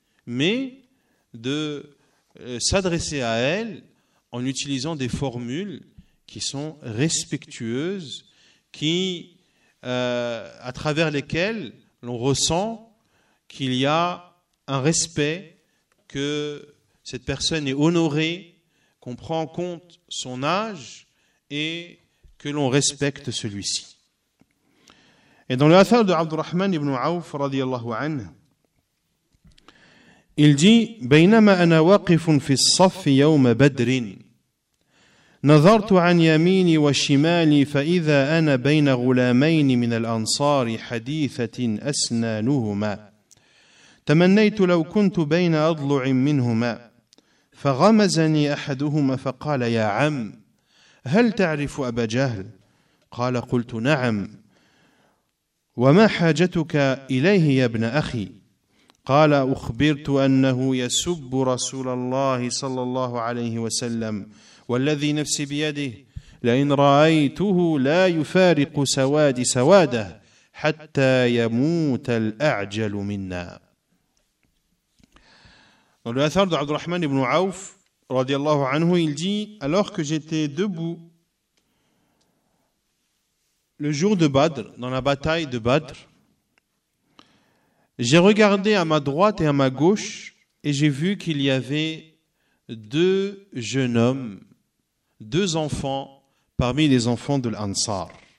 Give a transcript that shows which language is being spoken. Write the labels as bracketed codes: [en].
[fr] Mais de s'adresser à elle en utilisant des formules qui sont respectueuses, à travers lesquelles l'on ressent qu'il y a un respect, que cette personne est honorée, qu'on prend en compte son âge et que l'on respecte celui-ci. Et dans l'affaire de Abdurrahman ibn Auf, radiyallahu anhu, il dit [ar] « بينما أنا واقف في الصف يوم بدر نظرت عن يميني وشمالي فإذا أنا بين غلامين من الأنصار حديثة أسنانهما تمنيت لو كنت بين أضلع منهما فغمزني أحدهما فقال يا عم هل تعرف أبا جهل؟ قال قلت نعم وما حاجتك إليه يا ابن أخي؟ قال أخبرت أنه يسب رسول الله صلى الله عليه وسلم والذي نفسي بيده لئن رأيته لا يفارق سواد سواده حتى يموت الأعجل منا. [fr] Dans le hadith de Abdurrahman ibn Auf, radiallahu anhu, il dit, alors que j'étais debout le jour de Badr, dans la bataille de Badr, j'ai regardé à ma droite et à ma gauche et j'ai vu qu'il y avait deux jeunes hommes, deux enfants parmi les enfants de l'Ansar.